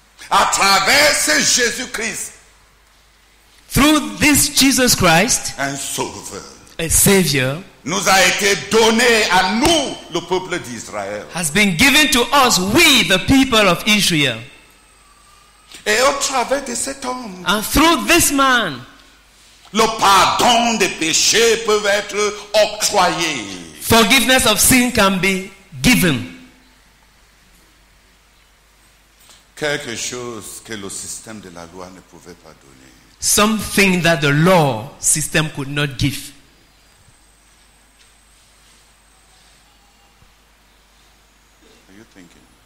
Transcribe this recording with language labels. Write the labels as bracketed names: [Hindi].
[French] À travers ce Jésus-Christ, [English] through this Jesus Christ, [French] un sauveur, [English] a savior, [French] nous a été donné à nous, le peuple d'Israël, [English] has been given to us, we, the people of Israel. [French] Et au travers de cet homme, [English] and through this man, [French] le pardon des péchés peut être octroyé. [English] Forgiveness of sin can be given. [French] Quelque chose que le système de la loi ne pouvait pas donner. [English] Something that the law system could not give. Are you thinking?